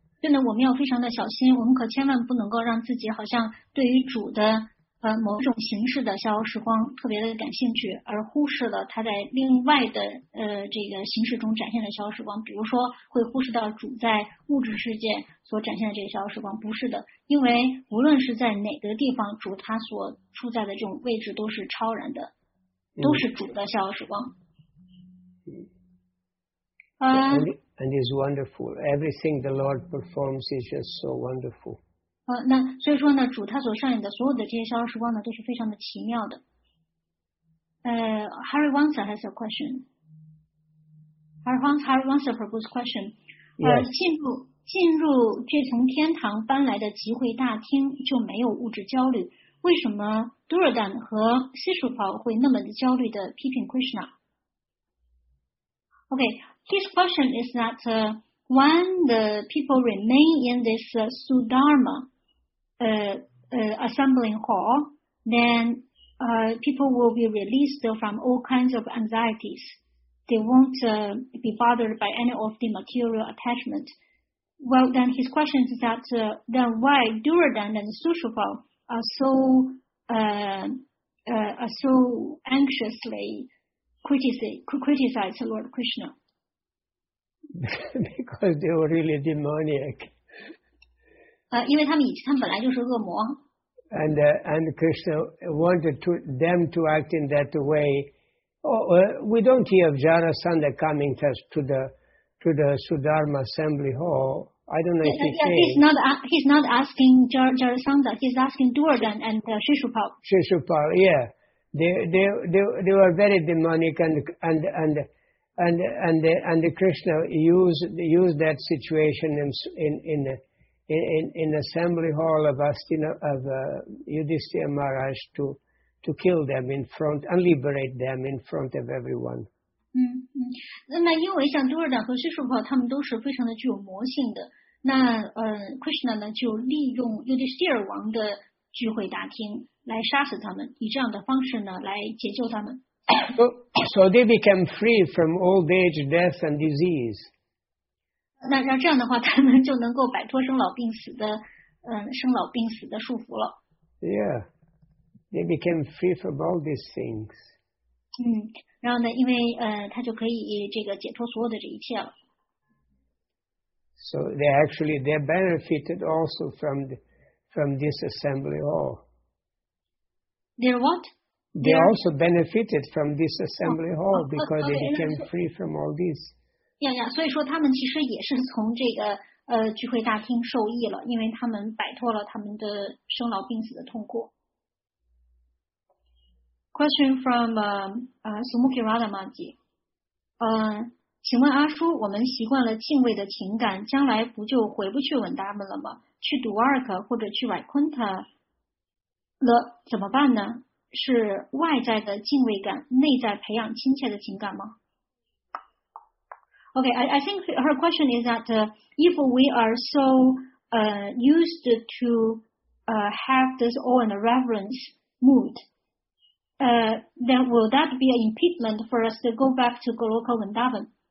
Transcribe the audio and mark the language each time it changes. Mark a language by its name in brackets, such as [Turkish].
[Chinese] 对呢，我们要非常的小心，我们可千万不能够让自己好像对于主的某种形式的逍遥时光特别的感兴趣，而忽视了他在另外的这个形式中展现的逍遥时光，比如说会忽视到主在物质世界所展现的这个逍遥时光。不是的，因为无论是在哪个地方，主他所处在的这种位置都是超然的，都是主的逍遥时光。 [English] And it's wonderful. Everything the Lord performs is just so wonderful. [Chinese] 那所以说呢，主他所上演的所有的这些逍遥时光呢，都是非常的奇妙的。 [English] Harry wants to ask a question. Harry wants to propose question. Yes. [Chinese] 进入这从天堂搬来的集会大厅就没有物质焦虑，为什么 Duradan 和 Sishupal 会那么的焦虑的批评 Krishna？ [English] Okay, his question is that when the people remain in this Sudharma assembling hall, then people will be released from all kinds of anxieties. They won't be bothered by any of the material attachment. Well, then his question is that then why Duryodhana and Sushupa are so anxiously criticize Lord Krishna? Because they were really demoniac. [Chinese] 因为他们本来就是恶魔。 [English] And Krishna wanted them to act in that way. We don't hear of Jarasandha coming to the Sudharma Assembly Hall. I don't know if he came. He's not asking Jarasandha. He's asking Duryodhana and Shishupal. Shishupal, yeah. They were very demonic and Krishna used that situation in assembly hall of Astina of Yudhishthira Maharaj to kill them in front and liberate them in front of everyone. [Chinese] 那么因为像 Duryodhana 和 Shishupal 他们都是非常的具有魔性的，那Krishna 呢就利用 Yudhishthira 王的聚会大厅来杀死他们，以这样的方式呢来解救他们。 [English] So they became free from old age, death, and disease. [Chinese] 那这样的话，他们就能够摆脱生老病死的，生老病死的束缚了。 [English] Yeah, they became free from all these things. [Chinese] 然后呢，因为他就可以这个解脱所有的这一切了。 [English] So they benefited also from this assembly hall. They're what? They also benefited from this assembly hall because they became free from all this. Yeah, yeah. [Chinese] 所以说他们其实也是从这个聚会大厅受益了，因为他们摆脱了他们的生老病死的痛苦。 [English] Question from Sumukhi Radha Maji. [Chinese] 请问阿叔，我们习惯了敬畏的情感，将来不就回不去文达们了吗？去 Dwarka 或者去 Vaikuntha 了怎么办呢？是外在的敬畏感，内在培养亲切的情感吗？ [English] Okay, I think her question is that if we are so used to have this awe and reverence mood, then will that be an impediment for us to go back to Goloka Vrindavan?